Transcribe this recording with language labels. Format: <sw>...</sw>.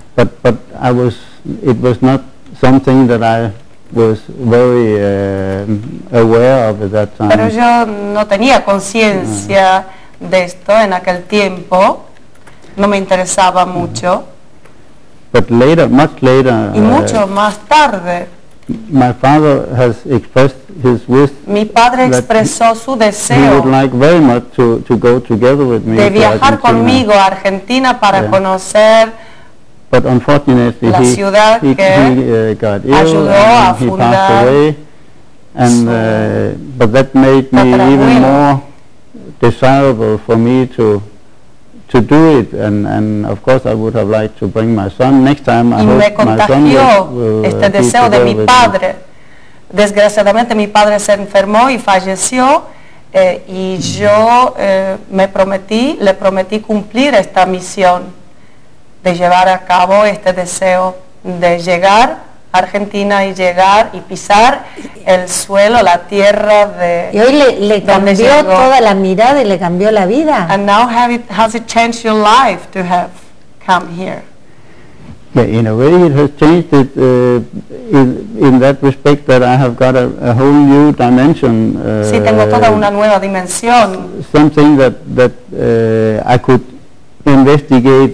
<en>But I was, it was not something that I was very aware of at that time.</en> <es>Pero yo no tenía conciencia de esto en aquel tiempo. No me interesaba mucho.</es> <en>But later, much later.</en> <es>Y mucho más tarde.</es> <en>My father has expressed his wish.</en> <es>Mi padre expresó su deseo.</es> <en>He would like very much to go together with me.</en> <es>De viajar conmigo a Argentina para conocer.</es> <en>But unfortunately,</en> <es>la ciudad</es> <en>he got ill and he passed away. And but that made me even more desirable for me to do it, and of course I would have liked to bring my son next time.</en> <es>Y me contagió este deseo de mi padre. Desgraciadamente mi padre se enfermó y falleció, y yo le prometí cumplir esta misión de llevar a cabo este deseo de llegar Argentina y llegar y pisar el suelo, la tierra de. Y hoy le cambió toda la mirada y le cambió la vida.</es> <en>And now has it changed your life to have come here? Yeah, in a way it has changed it in that respect that I have got a whole new dimension.</en> <es>Sí, tengo toda una nueva dimensión.</es> <en>Something that I could investigate</en>